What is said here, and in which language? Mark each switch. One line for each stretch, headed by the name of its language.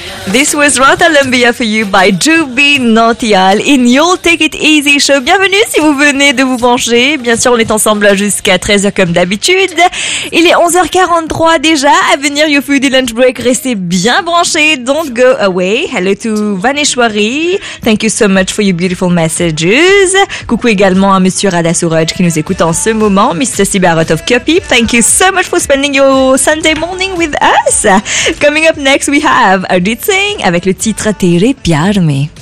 English: This was Rata Lumbia for you by Juby Nautial in your Take It Easy Show.
French: Bienvenue si vous venez de vous brancher. Bien sûr, on est ensemble jusqu'à 13h comme d'habitude. Il est 11h43 déjà. À venir,
English: your foodie lunch break.
French: Restez bien branchés.
English: Don't go away. Hello to Vaneshwari. Thank you so much for your beautiful messages.
French: Coucou également à Monsieur Radha Suraj qui nous écoute en ce moment.
English: Mr. Sibarot of Kopi. Thank you so much for spending your Sunday morning with us. Coming up next, we have Arjit Singh
French: avec le titre
English: Tere Pyar Mein.